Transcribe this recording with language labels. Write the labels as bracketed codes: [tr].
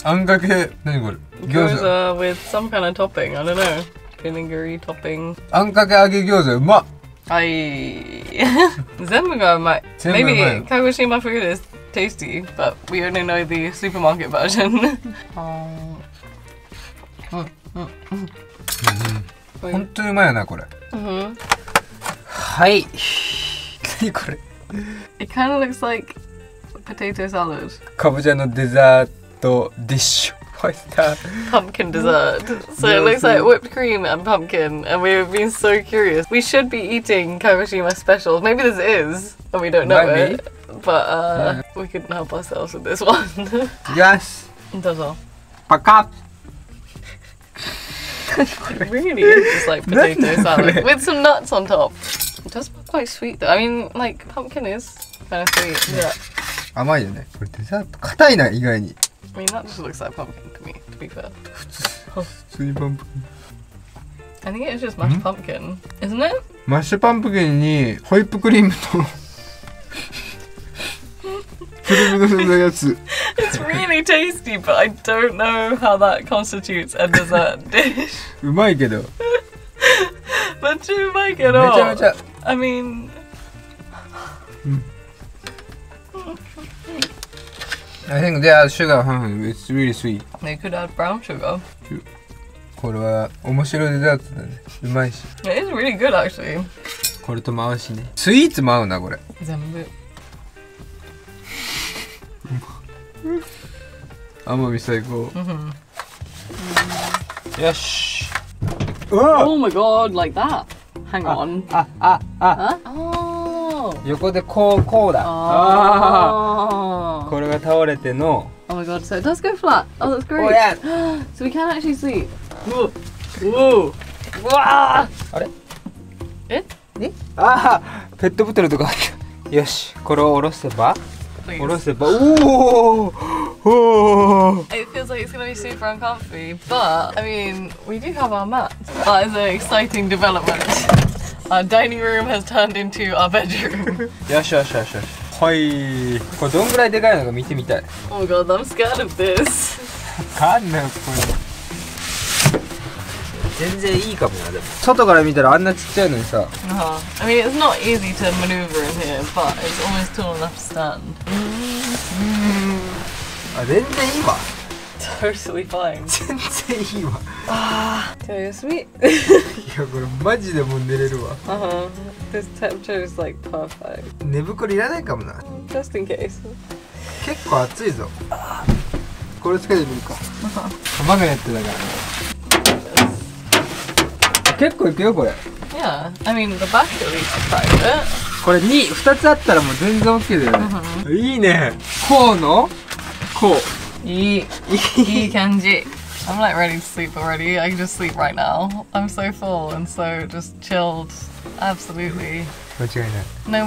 [en] Gyoza with some kind of topping. I don't know. Vinegary topping. [ja] Ankake age gyoza, ma. Ay. Zenmu ga umai. [en] Maybe Kagoshima food is tasty, but we only know the supermarket version. [ja] うん、うん、うん、本当にうまいよなこれ。はい。何これ。 [en] It kind of looks like potato salad. [ja] かぼちゃのデザートディッシュ。ファイスター。 [en] Pumpkin dessert. So it looks like whipped cream and pumpkin. And we've been so curious. We should be eating Kagoshima special. Maybe this is, and we don't know it. But we couldn't help ourselves with this one. Yes. [ja] どうぞ。パカッ。 [en] It really is just like potato salad with some nuts on top. It does look quite sweet though. I mean, like pumpkin is kind of sweet. Yeah. [ja] 甘いよね。これデザート硬いな意外に。 [en] I mean, that just looks like pumpkin to me. To be fair. [ja] 普通にパンプキン。 [en] I think it's just mashed pumpkin, isn't it? [ja] マッシュパンプキンにホイップクリームとクリームの風味のやつ。 [en] It's really tasty, but I don't know how that constitutes a dessert dish. [ja] うまいけど。めっちゃうまいけど。めちゃめちゃ。 [en] I mean... I think they add sugar, huh? It's really sweet. They could add brown sugar. [ja] これは面白いデザートだね。うまいし。 [en] It is really good, actually. [ja] これとも合うしね。スイーツも合うな、これ。全部。アマミ最高。よし。 [en] Oh my god, like that. Hang on. [ja] Ah. Oh. 横でこうだ。これが倒れての。 [en] Oh my god, so it does go flat. Oh, that's great. Oh yeah. So we can actually sleep. Whoa. Whoa. わあ。あれ？ [ja] え？ね？ああ、ペットボトルとか。よし、これを下ろせば。 [en] Please. [ja] 下ろせば。おお。 [en] It feels like it's going to be super uncomfy, but I mean, we do have our mat. That is an exciting development. Our dining room has turned into our bedroom. Yosh, yosh, yosh, yosh. Hoi. [ja] これどんぐらいでかいのか見てみたい。 [en] Oh god, I'm scared of this. [ja] かんねん、これ。全然いいかもな、でも。外から見たらあんなちっちゃいのにさ。 [en] Uh-huh. I mean, it's not easy to maneuver in here, but it's always tall enough to stand. [ja] Mm-hmm. あ、全然いいわ。 [en] Totally fine. [ja] 全然いいわ。あー。じゃあ、休み。いや、これマジでもう寝れるわ。 [en] Uh-huh. This temperature is like perfect. [ja] 寝袋いらないかもな。 [en] Just in case. [ja] 結構暑いぞ。これつけてみるか。 [en] Uh-huh. [ja] マグネットだから、ね。結構いくよこれ。 [en] Yeah, I mean the back at least is quite good. [ja] これ2、2つあったらもう全然 OK だよね。 [en] Uh-huh. [ja] いいね。こうの、こう。いい、いい感じ。 [en] I'm like ready to sleep already. I can just sleep right now. I'm so full and so just chilled. Absolutely. [ja] 間違いない。